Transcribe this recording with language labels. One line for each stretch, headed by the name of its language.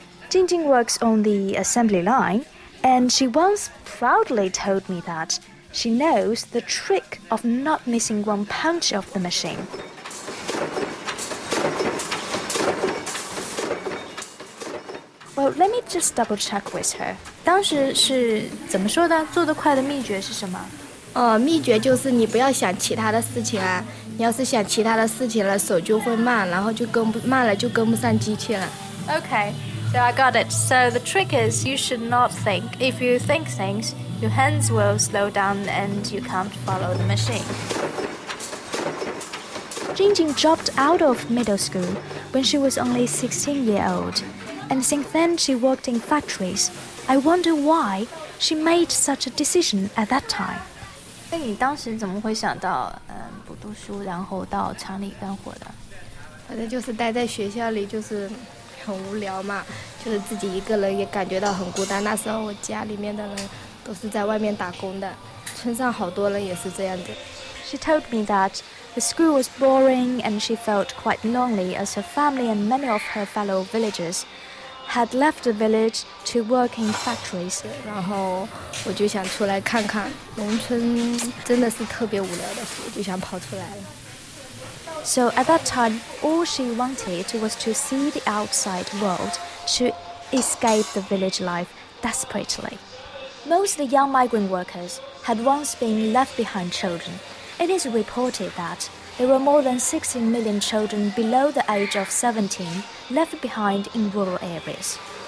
English: Jingjing works on the assembly line, and she once proudly told me that she knows the trick of not missing one punch of the machine. Well, let me just double check with her.
Chinese: 当时是怎么说的？做得快的秘诀是什么？秘诀就是你不要想其他的事情啊。你要是想其他的事情了，手就会慢，然后就跟不慢了，就跟不上机器了。
English: Okay, so I got it. So the trick is you should not think. If you think things, your hands will slow down and you can't follow the machine. Jingjing dropped out of middle school when she was only 16 years old. And since then, she worked in factories. I wonder why she made such a decision at that time.
Chinese: 那你当时怎么会想到，不读书，然后到厂里干活的？反正就是待在学校里，就是很无聊嘛，就是自己一个人也感觉到很孤单。那时候我家里面的人都是在外面打工的，村上好多人也是这样子。
English: She told me that. The school was boring and she felt quite lonely as her family and many of her fellow villagers had left the village to work in factories.
Chinese: 然后我就想出来看看，农村真的是特别无聊的，我就想跑出来了。
English: So at that time, all she wanted was to see the outside world, to escape the village life desperately. Most of the young migrant workers had once been left behind children. It is reported that there were more than 16 million children below the age of 17 left behind in rural areas.